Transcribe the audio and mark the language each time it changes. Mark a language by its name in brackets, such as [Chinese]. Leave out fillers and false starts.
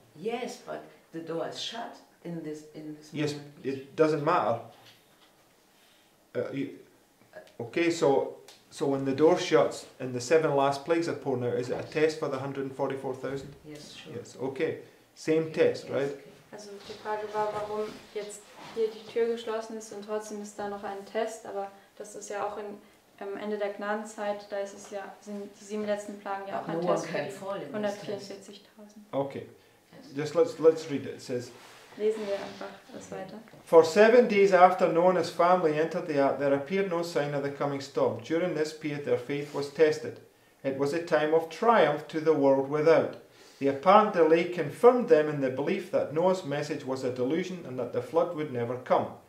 [English] Yes, but the door is shut in this moment. Yes, it doesn't matter. So when the door shuts and the 7 last plagues are pouring out, is it a test for the 144,000? Yes, sure. Yes, okay. Same test, yes, right? Okay. [German] Also die Frage war, warum jetzt hier die Tür geschlossen ist und trotzdem ist da noch ein Test, aber das ist ja auch in, am Ende der Gnadenzeit, da ist es ja, sind die 7 letzten Plagen ja auch ein Test für 144,000. [English] Okay. Just let's read it. It says, [German] lesen wir einfach das weiter. [English] For 7 days after Noah's family entered the ark, there appeared no sign of the coming storm. During this period, their faith was tested. It was a time of triumph to the world without. The apparent delay confirmed them in the belief that Noah's message was a delusion and that the flood would never come.